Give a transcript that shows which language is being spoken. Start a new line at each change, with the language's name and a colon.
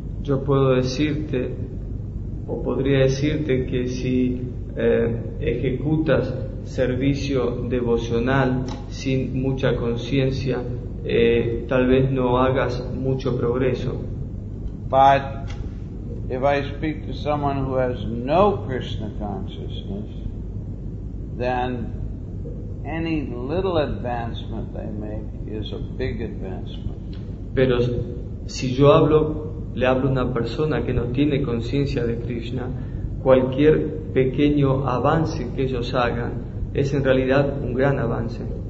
Spanish: Yo puedo decirte, o podría decirte, que si ejecutas servicio devocional sin mucha conciencia, tal vez no hagas mucho progreso.
English: But if I speak to someone who has no Krishna consciousness, then any little advancement they make is a big advancement.
Spanish: Pero si yo hablo, le hablo a una persona que no tiene conciencia de Krishna, cualquier pequeño avance que ellos hagan es en realidad un gran avance.